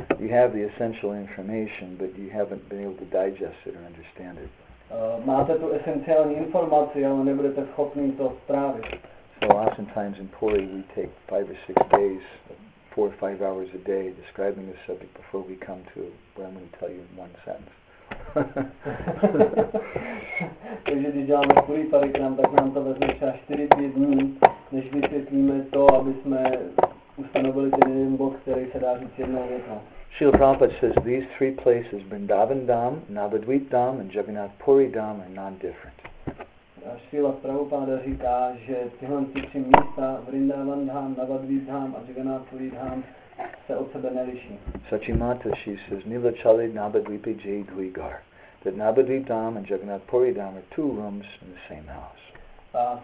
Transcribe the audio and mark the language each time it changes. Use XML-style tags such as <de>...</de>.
<en>You have the essential information, but you haven't been able to digest it or understand it.</en> <cs>Máte tu esenciální informaci, ale nebudete schopni to strávit.</cs> <en>So oftentimes in Puri we take 5 or 6 days, 4 or 5 hours a day describing the subject before we come to what I'm going to tell you in one sentence.</en> <cs>Takže když děláme Puri Parikram, tak nám to vezme třeba 4 dny, než vysvětlíme to, aby jsme ustanovili ten jeden bod, který se dá říct jednou větou.</cs> <en>Srila Prabhupada says these three places, Vrindavan Dham, Navadvip Dham and Jagannath Puri Dham are non-different.</en> <cs>Srila Prabhupada říká, že tyhle tři místa, Vrindavan Dham, Navadvip Dham a Jagannath Puri Dham, se od sebe neliší.</cs> <en>Sachimata, she says,</en> <bn>Nilachali Navadvipi Jai Dvigar,</bn> <en>that Navadvip Dham and Jagannath Puri Dham are two rooms in the same house.</en>